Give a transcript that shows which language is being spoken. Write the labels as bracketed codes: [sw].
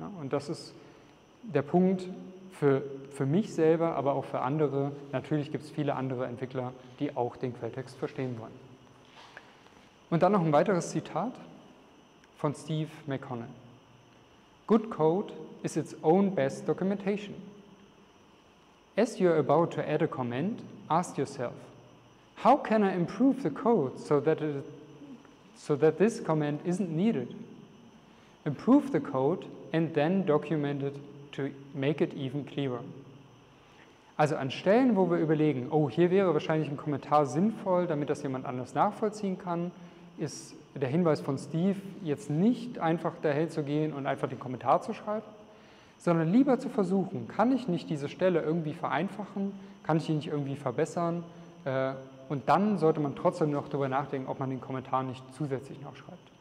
[de] Und das ist der Punkt für mich selber, aber auch für andere. Natürlich gibt es viele andere Entwickler, die auch den Quelltext verstehen wollen. Und dann noch ein weiteres Zitat von Steve McConnell. [en] Good code is its own best documentation. As you're about to add a comment, ask yourself, how can I improve the code so that this comment isn't needed? Improve the code and then document it to make it even clearer. [de] Also an Stellen, wo wir überlegen, oh, hier wäre wahrscheinlich ein Kommentar sinnvoll, damit das jemand anders nachvollziehen kann, ist der Hinweis von Steve, jetzt nicht einfach dahin zu gehen und einfach den Kommentar zu schreiben, sondern lieber zu versuchen, kann ich nicht diese Stelle irgendwie vereinfachen, kann ich die nicht irgendwie verbessern, und dann sollte man trotzdem noch darüber nachdenken, ob man den Kommentar nicht zusätzlich noch schreibt.